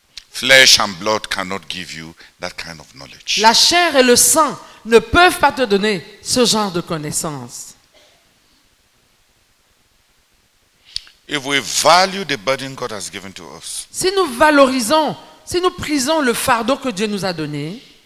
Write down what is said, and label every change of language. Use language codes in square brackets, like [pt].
[en] Flesh and blood cannot give you that kind of knowledge. [fr] La chair et le sang ne peuvent pas te donner ce genre de connaissance. [en] If we value the burden God has given to us, [fr] si nous valorisons, si nous prisons le fardeau que Dieu nous a donné,